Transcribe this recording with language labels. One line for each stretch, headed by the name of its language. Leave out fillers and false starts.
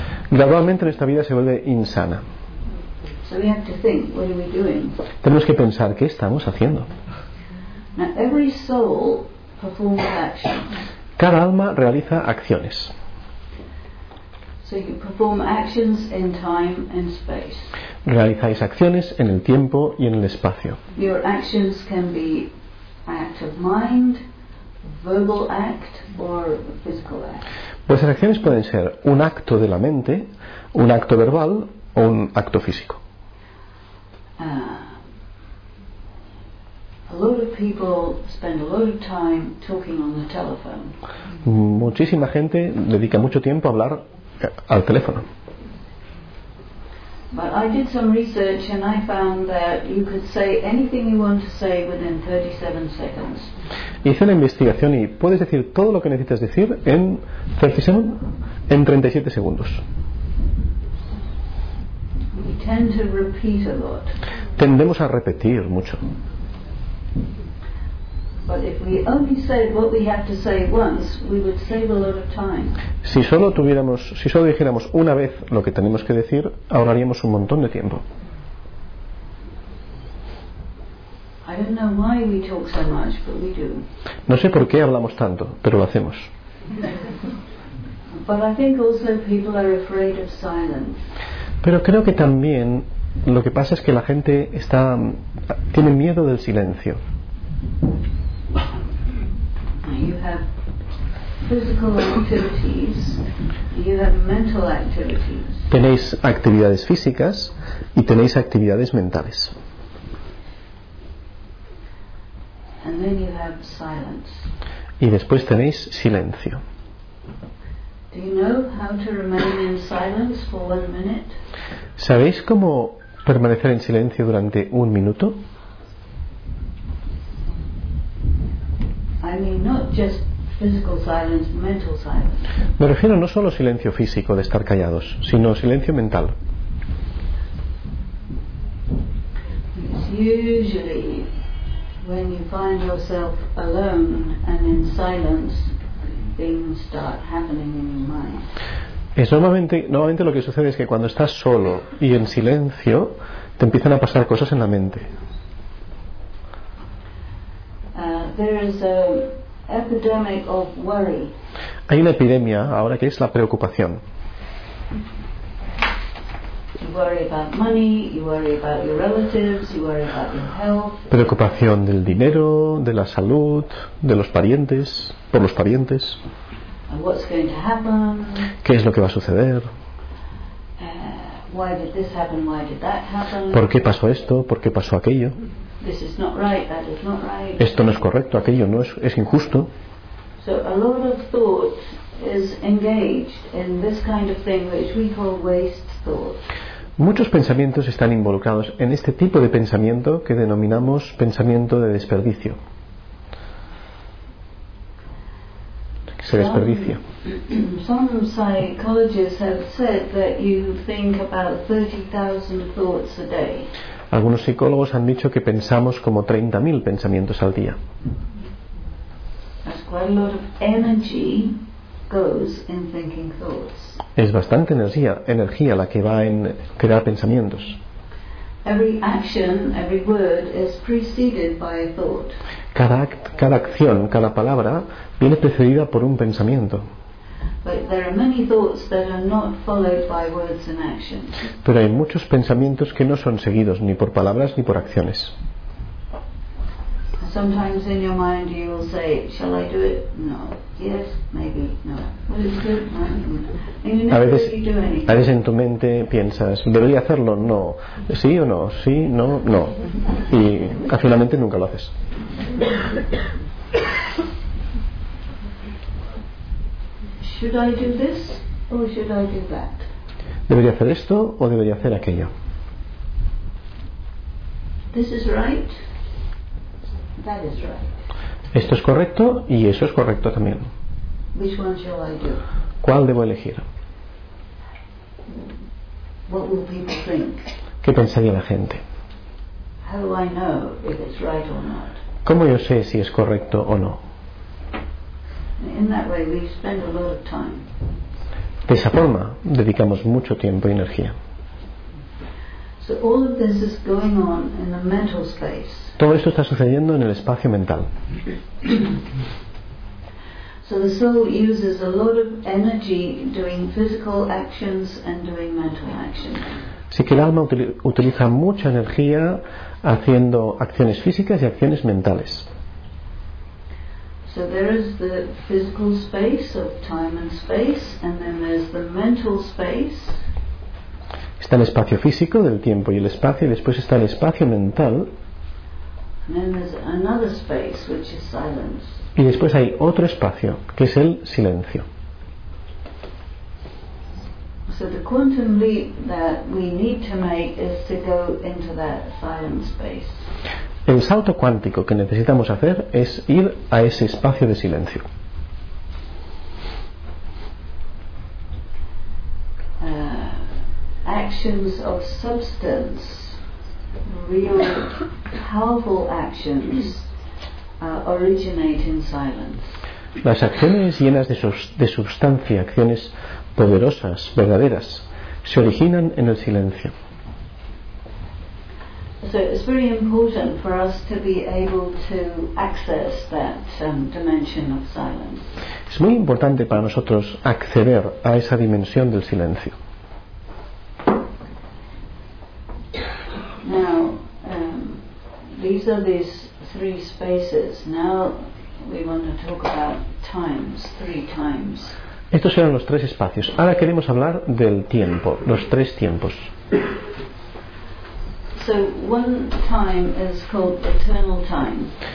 Spanish: Gradualmente nuestra vida se vuelve insana.
English: So we have to think, what are we doing?
Spanish: Tenemos que pensar, ¿qué estamos haciendo?
English: Now, every soul performs action.
Spanish: Cada alma realiza acciones.
English: So you perform actions in time and space.
Spanish: Realizáis acciones en el tiempo y en el espacio.
English: Your actions can be act of mind, verbal act, or physical act.
Spanish: Vuestras acciones pueden ser un acto de la mente, un acto verbal o un acto físico.
English: A lot of people spend a lot of time talking on the telephone.
Spanish: Muchísima gente dedica mucho tiempo a hablar al teléfono.
English: But I did some research and I found that you could say anything you want to say within 37 seconds.
Spanish: Hice una investigación y puedes decir todo lo que necesitas decir en 37 segundos.
English: We tend to repeat a lot.
Spanish: Tendemos a repetir mucho.
English: But if we only said what we have to say once, we would save a lot of time.
Spanish: Si solo dijéramos una vez lo que tenemos que decir, ahorraríamos un montón de tiempo.
English: I don't know why we talk so much, but we do.
Spanish: No sé por qué hablamos tanto, pero lo hacemos.
English: But I think also people are afraid of silence.
Spanish: Pero creo que también lo que pasa es que la gente tiene miedo del silencio.
English: You have physical activities, you have mental activities.
Spanish: Tenéis actividades físicas y tenéis actividades mentales.
English: And then you have silence.
Spanish: Y después tenéis silencio.
English: Do you know how to remain in silence for 1 minute?
Spanish: ¿Sabéis cómo permanecer en silencio durante un minuto?
English: I mean, not just physical silence, mental silence.
Spanish: Me refiero no solo silencio físico de estar callados, sino silencio mental.
English: It's usually when you find yourself alone and in silence, things start happening in your mind.
Spanish: Es normalmente lo que sucede es que cuando estás solo y en silencio, te empiezan a pasar cosas en la mente.
English: There is an epidemic of worry.
Spanish: Hay una epidemia ahora que es la preocupación.
English: You worry about money, you worry about your relatives, you worry about your health.
Spanish: Preocupación del dinero, de la salud, de los parientes, por los parientes.
English: And what's going to happen?
Spanish: ¿Qué es lo que va a suceder?
English: Why did this happen? Why did that happen?
Spanish: ¿Por qué pasó esto? ¿Por qué pasó aquello?
English: This is not right, that is not right.
Spanish: Esto no es correcto, aquello no es, es injusto.
English: So a lot of thought is engaged in this kind of thing which we call waste thought.
Spanish: Muchos pensamientos están involucrados en este tipo de pensamiento que denominamos pensamiento de desperdicio. Se desperdicia.
English: Some psychologists have said that you think about 30,000 thoughts a day.
Spanish: Algunos psicólogos han dicho que pensamos como 30,000 pensamientos al día.
English: That's quite a lot of energy goes in thinking thoughts.
Spanish: Es bastante energía la que va en crear pensamientos.
English: Every action, every word is preceded by a thought.
Spanish: Cada acción, cada palabra viene precedida por un pensamiento.
English: But there are many thoughts that are not followed by words and actions.
Spanish: Pero hay muchos pensamientos que no son seguidos ni por palabras ni por acciones.
English: Sometimes in your mind you will say, shall I do it? No. Yes, maybe. No. Will it do it? No. And you never
Spanish: A veces en tu mente piensas, ¿debería hacerlo? No. ¿Sí o no? Sí, no, no. Y finalmente nunca lo haces.
English: Should I do this or should I do that?
Spanish: ¿Debería hacer esto o debería hacer aquello?
English: This is right. That is right.
Spanish: Esto es correcto y eso es correcto también.
English: Which one shall I do?
Spanish: ¿Cuál debo elegir?
English: What will people think?
Spanish: ¿Qué pensaría la gente?
English: How do I know if it's right or not?
Spanish: ¿Cómo yo sé si es correcto o no?
English: In that way we spend a lot of time.
Spanish: De esa forma dedicamos mucho tiempo y energía.
English: So all of this is going on in the mental space.
Spanish: Todo esto está sucediendo en el espacio mental.
English: So the soul uses a lot of energy doing physical actions and doing mental actions.
Spanish: Así que el alma utiliza mucha energía haciendo acciones físicas y acciones mentales.
English: So there is the physical space of time and space, and then there's the mental space.
Spanish: Está el espacio físico del tiempo y el espacio, y después está el espacio mental.
English: And then there's another space, which is silence.
Spanish: Y después hay otro espacio, que es el silencio.
English: So the quantum leap that we need to make is to go into that silent space.
Spanish: El salto cuántico que necesitamos hacer es ir a ese espacio de silencio.
English: Actions of substance, real powerful actions, originate in silence.
Spanish: Las acciones llenas de sustancia, acciones poderosas, verdaderas, se originan en el silencio.
English: So it's very important for us to be able to access that dimension of silence.
Spanish: Es muy importante para nosotros acceder a esa dimensión del silencio.
English: Now, these are these three spaces. Now we want to talk about times, three times.
Spanish: Estos eran los tres espacios. Ahora queremos hablar del tiempo, los tres tiempos.
English: So one time is called eternal time.